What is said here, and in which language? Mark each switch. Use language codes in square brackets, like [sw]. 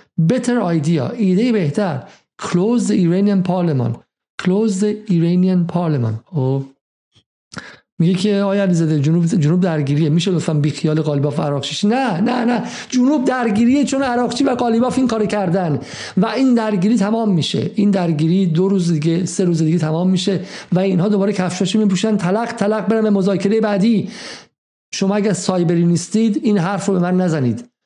[en] Better idea، [fa] ایده بهتر. [en] Close the Iranian parliament. Close the Iranian parliament. [fa] خب میگه که آیا علیزاده جنوب درگیریه، میشه لطفا بی خیال قالیباف و عراقچیش؟ نه نه نه، جنوب درگیریه چون عراقچی و قالیباف این کارو کردن و این درگیری تمام میشه. این درگیری 2 روز دیگه 3 روز دیگه تمام میشه و اینها دوباره کفشاشو میپوشن، تلق تلق برن به مذاکره بعدی. شما اگه سایبری نیستید این حرف رو به من نزنید.